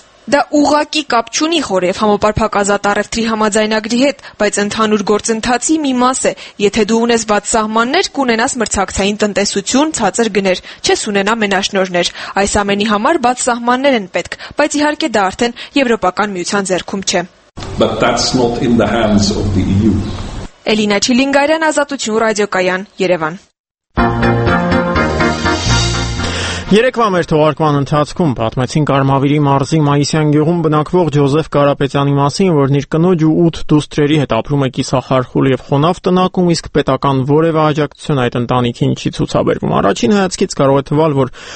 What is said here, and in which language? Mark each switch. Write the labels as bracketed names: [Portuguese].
[Armenian] Դա ուղակի կապ չունի խորը և համապարփակ ազատ առևտրի համաձայնագրի հետ, բայց ընդհանուր գործընթացի մի մաս է, եթե դու ունես բաց սահմաններ, կունենաս մրցակցային տնտեսություն, ցածր գներ, չես ունենա մենաշնորներ, այս ամենի համար բաց սահմաններ են պետք, բայց իհարկե դա արդեն Եվրոպական միության ձեռքում չէ։ [English] But that's not in the hands of the EU. [Armenian] Էլինա Չիլինգարյան, Ազատություն ռադիոկայան, Երևան։ Երեկվա մեր թողարկման ընթացքում պատմեցին Կարմավիրի մարզի Մայիսյան գյուղում բնակվող Ջոզեֆ Կարապետյանի մասին, որ իր կնոջ ու 8 դուստրերի հետ ապրում է կիսախարխուլ և խոնավ տնակում, իսկ պետական որևէ աջակցություն այդ ընտանիքին չի ցուցաբերվում։ Առաջին հայացքից կարող է թվալ, որ